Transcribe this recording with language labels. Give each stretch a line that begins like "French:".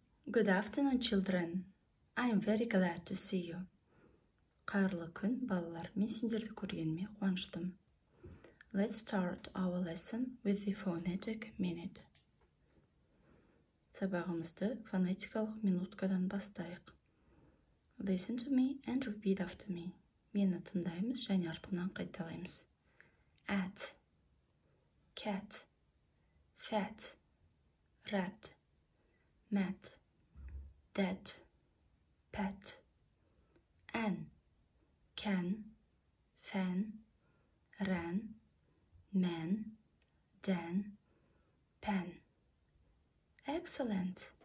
English: Good afternoon, children. I'm very glad to see you.
Kazakh: Қайырлы күн, балалар. Мен сендерді көргеніме қуаныштым.
English: Let's start our lesson with the phonetic minute.
Kazakh: Сабағымызды фонетикалық минуткадан бастайық.
English: Listen to me and repeat after me.
Kazakh: Мені тыңдаймыз және артынан қайталаймыз.
English: At, cat, fat, rat, mat, that, pet, an, can, fan, ran, man, dan, pen. Excellent!